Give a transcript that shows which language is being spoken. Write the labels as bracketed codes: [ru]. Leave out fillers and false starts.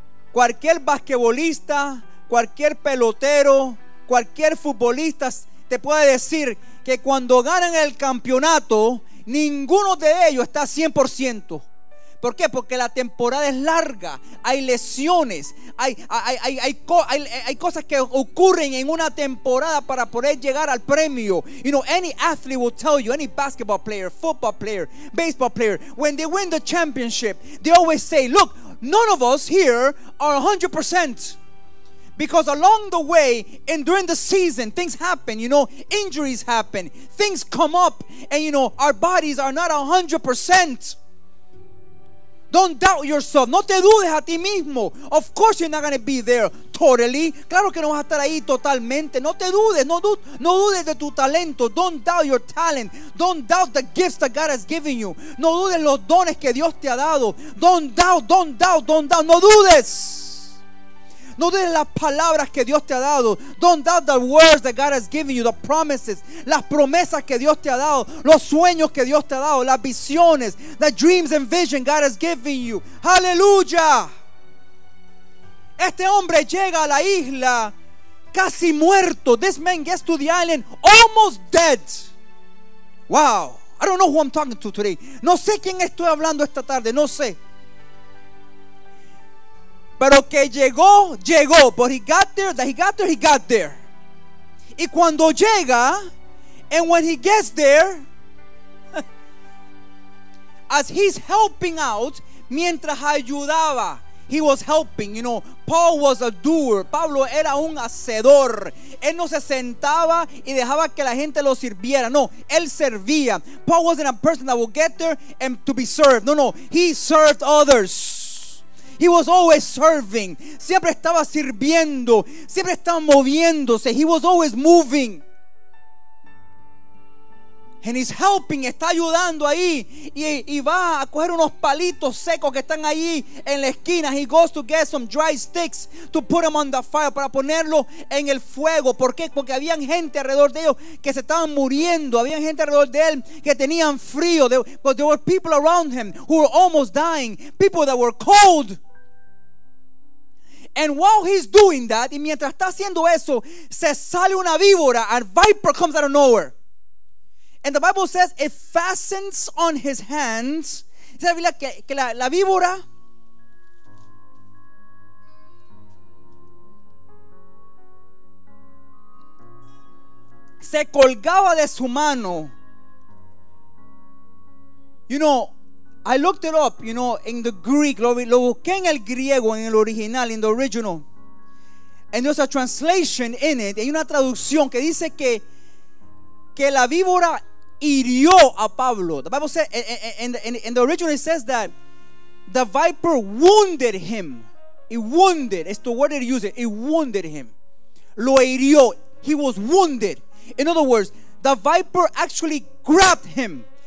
[es] Cualquier basquetbolista, cualquier pelotero, cualquier futbolista te puede decir que cuando ganan el campeonato, ninguno de ellos está 100%. ¿Por qué? Porque la temporada es larga. Hay lesiones, hay cosas que ocurren en una temporada para poder llegar al premio. [en] You know, any athlete will tell you, any basketball player, football player, baseball player, when they win the championship, they always say, look, none of us here are 100%. Because along the way and during the season, things happen, you know, injuries happen, things come up, and you know, our bodies are not 100%. Don't doubt yourself. [es] No te dudes a ti mismo. [en] Of course you're not going to be there totally. [es] Claro que no vas a estar ahí totalmente. No te dudes. No dudes de tu talento. [en] Don't doubt your talent. Don't doubt the gifts that God has given you. [es] No dudes los dones que Dios te ha dado. [en] Don't doubt. [es] No dudes. No dudes las palabras que Dios te ha dado. [en] Don't doubt the words that God has given you. The promises. [es] Las promesas que Dios te ha dado. Los sueños que Dios te ha dado. Las visiones. [en] The dreams and vision God has given you. Hallelujah. [es] Este hombre llega a la isla casi muerto. [en] This man gets to the island almost dead. Wow. I don't know who I'm talking to today. [es] No sé quién estoy hablando esta tarde. No sé. Pero que llegó, llegó. [en] But he got there, that he got there, he got there. [es] Y cuando llega, [en] and when he gets there, as he's helping out, [es] mientras ayudaba, [en] he was helping, you know. Paul was a doer. [es] Pablo era un hacedor. Él no se sentaba y dejaba que la gente lo sirviera. No, él servía. [en] Paul wasn't a person that would get there and to be served. No, no, he served others. He was always serving. [es] Siempre estaba sirviendo. Siempre estaba moviéndose. [en] He was always moving. And he's helping. [es] Está ayudando ahí. Y va a coger unos palitos secos que están ahí en la esquina. [en] He goes to get some dry sticks to put them on the fire. [es] Para ponerlo en el fuego. ¿Por qué? Porque había gente alrededor de ellos que se estaban muriendo. Había gente alrededor de él que tenían frío. [en] But there were people around him who were almost dying. People that were cold. And while he's doing that, [es] y mientras está haciendo eso, se sale una víbora. [en] A viper comes out of nowhere. And the Bible says it fastens on his hands. [es] Dice la Biblia que la víbora se colgaba de su mano. [en] You know, I looked it up, you know, in the Greek. [es] Lo busqué en el griego, en el original, [en] in the original. And there's a translation in it. [es] Hay una traducción que dice que la víbora hirió a Pablo. [en] The Bible says, in the original it says that the viper wounded him. It wounded. It's the word they use. It wounded him. [es] Lo hirió. [en] He was wounded. In other words, the viper actually grabbed him.